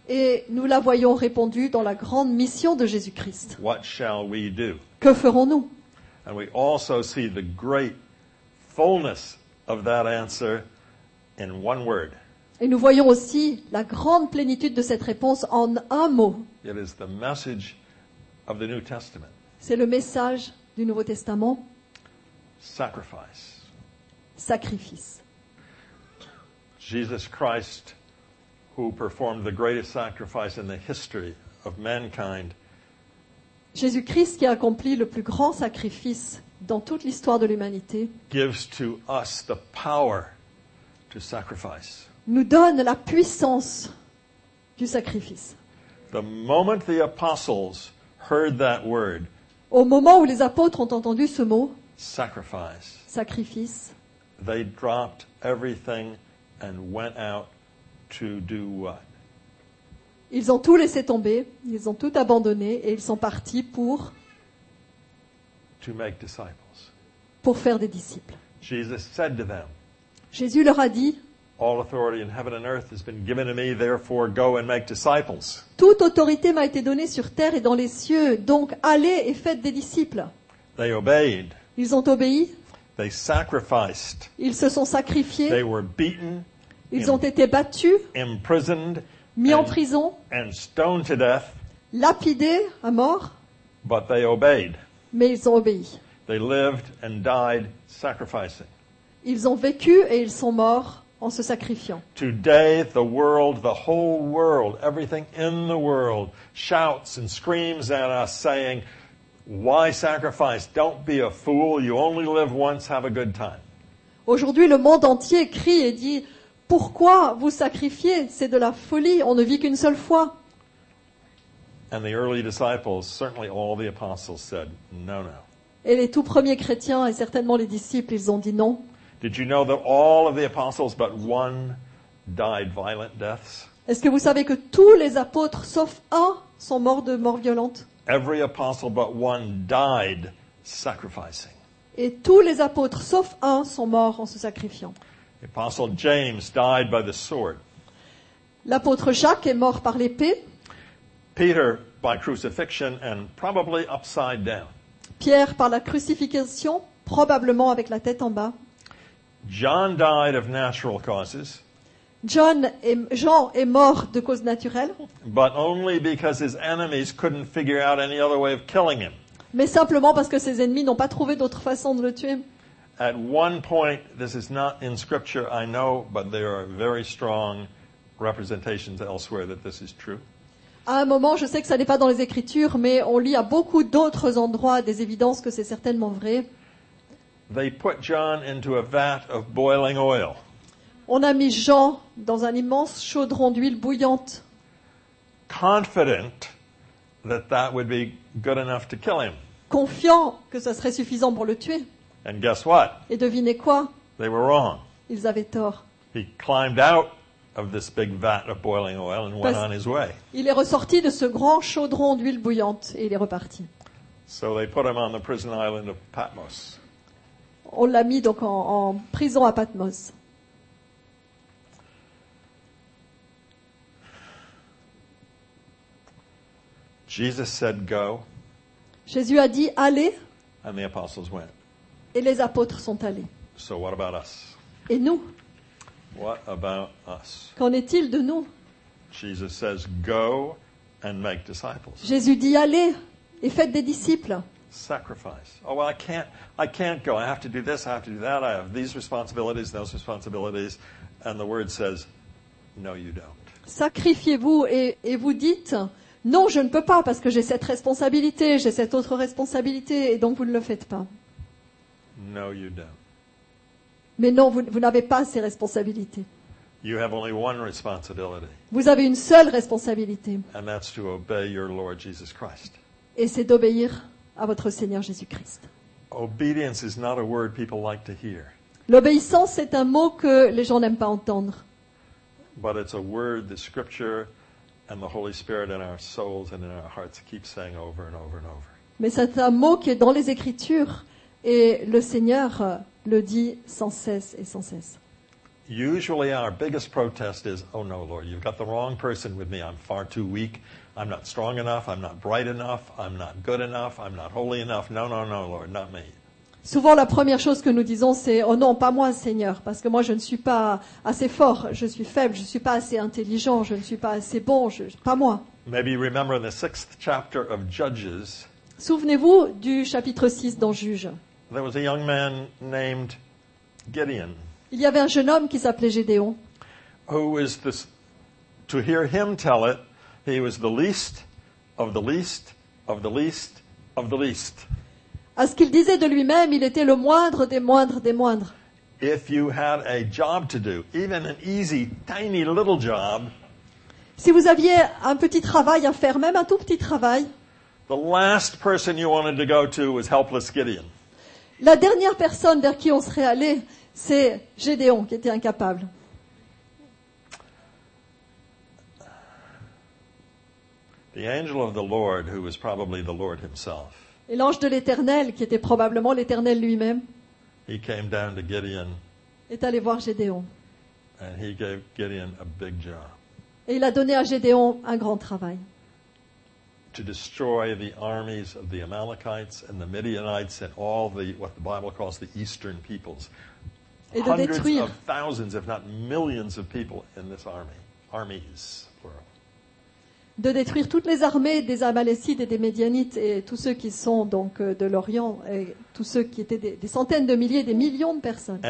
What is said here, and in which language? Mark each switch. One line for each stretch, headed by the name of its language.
French: Et nous la voyons répondue dans la grande mission de Jésus-Christ.
English: What shall we do?
French: Que ferons-nous?
English: And we also see the great fullness of that answer in one word.
French: Et nous voyons aussi la grande plénitude de cette réponse en un mot.
English: It is the message of the New Testament.
French: C'est le message du Nouveau Testament.
English: Sacrifice.
French: Sacrifice.
English: Jesus Christ, who performed the greatest sacrifice in the history of mankind.
French: Jésus-Christ qui a accompli le plus grand sacrifice dans toute l'histoire de l'humanité.
English: Gives to us the power to sacrifice.
French: Nous donne la puissance du sacrifice.
English: The moment the apostles heard that word.
French: Au moment où les apôtres ont entendu ce mot.
English: Sacrifice.
French: Sacrifice.
English: They dropped everything and went out to do what?
French: Ils ont tout laissé tomber, ils ont tout abandonné et ils sont partis pour
English: to make disciples.
French: Pour faire des disciples.
English: Jesus said to them.
French: Jésus leur a dit.
English: All authority in heaven and earth has been given to me, therefore go and make disciples.
French: Toute autorité m'a été donnée sur terre et dans les cieux, donc allez et faites des disciples.
English: They obeyed.
French: Ils ont obéi.
English: They sacrificed.
French: Ils se sont sacrifiés.
English: They were beaten.
French: Ils ont été battus.
English: Imprisoned.
French: Mis en prison.
English: And stoned to death.
French: Lapidés à mort.
English: But they obeyed.
French: Mais ils ont obéi.
English: They lived and died sacrificing.
French: Ils ont vécu et ils sont morts en se sacrifiant.
English: Today, the world, the whole world, everything in the world shouts and screams at us saying, why sacrifice? Don't be a fool. You only live once. Have a good time.
French: Aujourd'hui, le monde entier crie et dit, pourquoi vous sacrifiez? C'est de la folie. On ne vit qu'une seule fois.
English: And the early disciples, certainly all the apostles said, no, no.
French: Et les tout premiers chrétiens et certainement les disciples, ils ont dit non.
English: Did you know that all of the apostles but one died violent deaths?
French: Est-ce que vous savez que tous les apôtres, sauf un, sont morts de mort violente?
English: Every apostle but one died sacrificing.
French: Et tous les apôtres, sauf un, sont morts en se sacrifiant.
English: The apostle James died by the sword.
French: L'apôtre Jacques est mort par l'épée.
English: Peter by crucifixion and probably upside down.
French: Pierre par la crucifixion, probablement avec la tête en bas.
English: John died of natural causes.
French: Jean est mort de causes naturelles.
English: But only because his enemies couldn't figure out any other way of killing him.
French: Mais simplement parce que ses ennemis n'ont pas trouvé d'autre façon de le tuer.
English: At one point, this is not in scripture, I know, but there are very strong representations elsewhere that this is true.
French: À un moment, je sais que ça n'est pas dans les écritures, mais on lit à beaucoup d'autres endroits des évidences que c'est certainement vrai.
English: They put John into a vat of boiling oil.
French: On a mis Jean dans un immense chaudron d'huile bouillante.
English: Confident that that would be good enough to kill him.
French: Confiant que ça serait suffisant pour le tuer.
English: And guess what?
French: Et devinez quoi?
English: They were wrong.
French: Ils avaient tort.
English: He climbed out of this big vat of boiling oil and went on his way.
French: Il est ressorti de ce grand chaudron d'huile bouillante et il est reparti.
English: So they put him on the prison island of Patmos.
French: On l'a mis donc en prison à Patmos.
English: Jesus said, go.
French: Jésus a dit, allez.
English: And the apostles went.
French: Et les apôtres sont allés.
English: So what about us?
French: Et nous?
English: What about us?
French: Qu'en est-il de nous?
English: Jesus says, go and make disciples.
French: Jésus dit, allez et faites des disciples.
English: Sacrifice. Oh well, I can't go. I have to do this. I have to do that. I have these responsibilities, those responsibilities, and the word says, no, you don't.
French: Sacrifiez-vous et vous dites, non, je ne peux pas parce que j'ai cette responsabilité, j'ai cette autre responsabilité, et donc vous ne le faites pas.
English: No, you don't.
French: Mais non, vous n'avez pas ces responsabilités.
English: You have only one responsibility.
French: Vous avez une seule responsabilité.
English: And that's to obey your Lord Jesus Christ.
French: Et c'est d'obéir à votre Seigneur Jésus-Christ.
English: Obedience is not a word people like to hear.
French: L'obéissance est un mot que les gens n'aiment pas entendre.
English: But it's a word the scripture and the Holy Spirit in our souls and in our hearts keep saying over and over and over.
French: Mais c'est un mot qui est dans les écritures et le Seigneur le dit sans cesse et sans cesse.
English: Usually our biggest protest is, oh no, Lord, you've got the wrong person with me. I'm far too weak. I'm not strong enough. I'm not bright enough. I'm not good enough. I'm not holy enough. No, no, no, Lord, not me.
French: Souvent, la première chose que nous disons, c'est « Oh non, pas moi, Seigneur, parce que moi, je ne suis pas assez fort, je suis faible, je ne suis pas assez intelligent, je ne suis pas assez bon, pas moi. »
English: Maybe you remember in the sixth chapter of Judges.
French: Souvenez-vous du chapitre 6 dans Juges.
English: There was a young man named Gideon.
French: Il y avait un jeune homme qui s'appelait Gédéon.
English: Who is this? To hear him tell it, he was the least of the least of the least of the least.
French: À ce qu'il disait de lui-même, il était le moindre des moindres des moindres.
English: If you had a job to do, even an easy, tiny little job.
French: Si vous aviez un petit travail à faire, même un tout petit travail.
English: The last person you wanted to go to was helpless Gideon.
French: La dernière personne vers qui on serait allé, c'est Gédéon, qui était incapable.
English: The angel of the Lord, who was probably the Lord himself.
French: Et l'ange de l'Éternel, qui était probablement l'Éternel lui-même.
English: He came down to Gideon.
French: Est allé voir Gédéon.
English: And he gave Gideon a big job.
French: Et il a donné à Gédéon un grand travail.
English: To destroy the armies of the Amalekites and the Midianites and all the what the Bible calls the eastern peoples.
French: Et de détruire
English: hundreds of thousands, if not millions of people in this army. Armies, plural.
French: De détruire toutes les armées des Amalécites et des Médianites et tous ceux qui sont donc de l'Orient et tous ceux qui étaient des centaines de milliers, des millions de personnes.